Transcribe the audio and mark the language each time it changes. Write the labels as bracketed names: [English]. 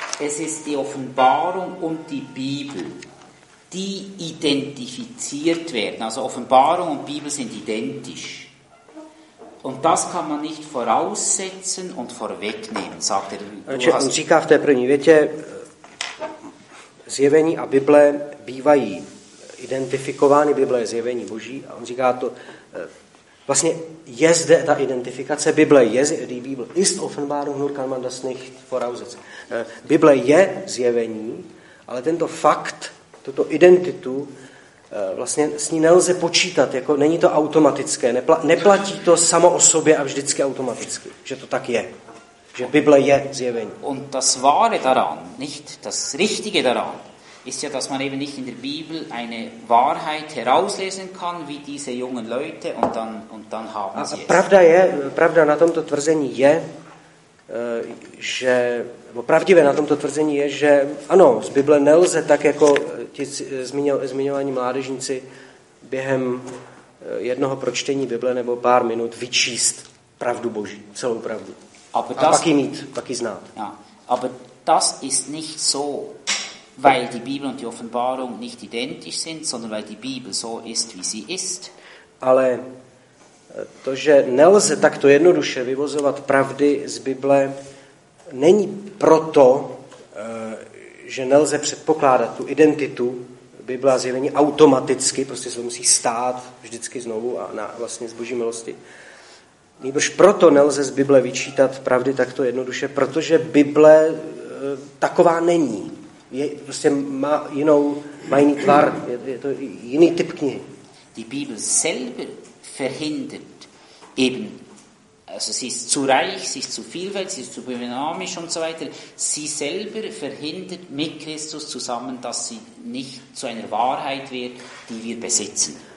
[German] Es ist die Offenbarung und die Bibel, die identifiziert werden. Also Offenbarung und Bibel sind identisch. Und das kann man nicht voraussetzen und vorwegnehmen, sagt er. [Czech] On říká v té první větě, zjevení a Bible bývají identifikovány, Bible je zjevení Boží, a on říká to, vlastně je zde ta identifikace Bible, je [German] die Bibel ist offenbarung, nur kann man das nicht voraussetzen. [Czech] Bible je zjevení, ale tento fakt, tuto identitu, vlastně s ní nelze počítat, jako není to automatické, neplatí to samo o sobě a vždycky automaticky, že to tak je. Že Bible je zjevení. [German] Und das wahre daran, nicht das richtige daran, ist ja, dass man eben nicht in der Bibel eine Wahrheit herauslesen kann, wie diese jungen Leute, und dann haben sie. [Czech] Pravda na tomto tvrzení je, že pravdivé na tomto tvrzení je, že ano, z Bible nelze tak jako ti zmiňovaní mládežníci během jednoho pročtení Bible nebo pár minut vyčíst pravdu Boží, celou pravdu. [German] Aber das, [Czech] a pak ji mít, pak ji znát. [German] Ja, aber das ist nicht so, weil die Bibel und die Offenbarung nicht identisch sind, sondern weil die Bibel so ist, wie sie ist. [Czech] Ale to, že nelze takto jednoduše vyvozovat pravdy z Bible, není proto, že nelze předpokládat tu identitu Bible a zjevení automaticky, prostě se to musí stát vždycky znovu a vlastně z Boží milosti. Nýbrž proto nelze z Bible vyčítat pravdy takto jednoduše, protože Bible taková není. Je, prostě má jinou, má jiný tvar, je to jiný typ knihy. [German] Die Bibel selber verhindert eben, also sie ist zu reich, sie ist zu vielfältig, sie ist zu dynamisch und so weiter, sie selber verhindert mit Christus zusammen, dass sie nicht zu einer Wahrheit wird, die wir besitzen.